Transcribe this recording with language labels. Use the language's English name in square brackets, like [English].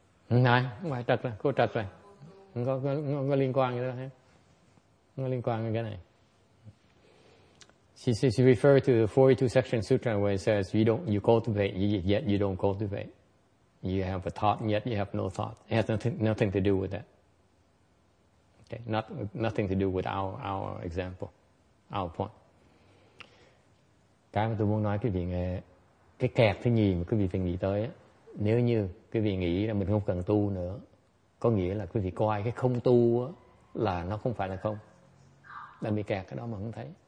[Vietnamese] Này, ngoài trật rồi, cô trật rồi. Không có liên quan gì đó. Không có liên quan gì cái này. [English] She referred to the 42 section sutra where it says you cultivate, yet you don't cultivate. You have a thought, yet you have no thought. It has nothing to do with that. Okay, nothing to do with our example, our point. [Vietnamese] Cái mà tôi muốn nói quý vị nghe, cái kẹt thứ nhì mà quý vị phải nghĩ tới á, nếu như quý vị nghĩ là mình không cần tu nữa, có nghĩa là quý vị coi cái không tu á, là nó không phải là không. Đang bị kẹt cái đó mà không thấy.